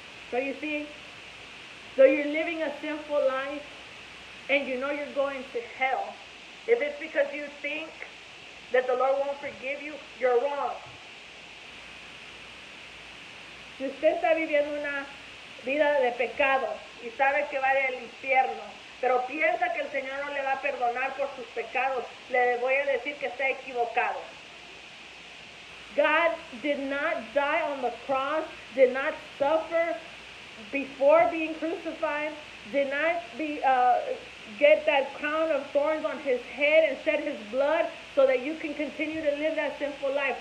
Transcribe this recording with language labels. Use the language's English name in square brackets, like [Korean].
[English] So you see, so you're living a sinful life and you know you're going to hell. If it's because you think that the Lord won't forgive you, you're wrong. [Spanish] Si usted está viviendo una vida de pecado y sabe que va al infierno, pero piensa que el Señor no le va a perdonar por sus pecados, le voy a decir que está equivocado. [English] God did not die on the cross, did not suffer before being crucified, did not get that crown of thorns on his head and shed his blood so that you can continue to live that sinful life.